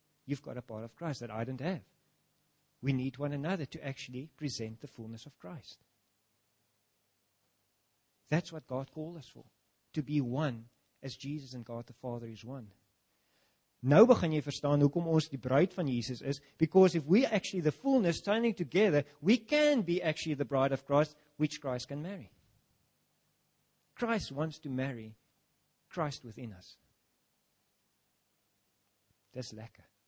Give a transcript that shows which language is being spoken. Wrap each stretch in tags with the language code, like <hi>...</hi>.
<en>You've got a part of Christ that I don't have. We need one another to actually present the fullness of Christ. That's what God called us for. To be one as Jesus and God the Father is one.</en> <af>Nou begin jy verstaan hoekom ons die bruid van Jesus is.</af> <en>Because if we actually the fullness standing together, we can be actually the bride of Christ, which Christ can marry. Christ wants to marry Christ within us.</en> <af>Dis lekker.</af>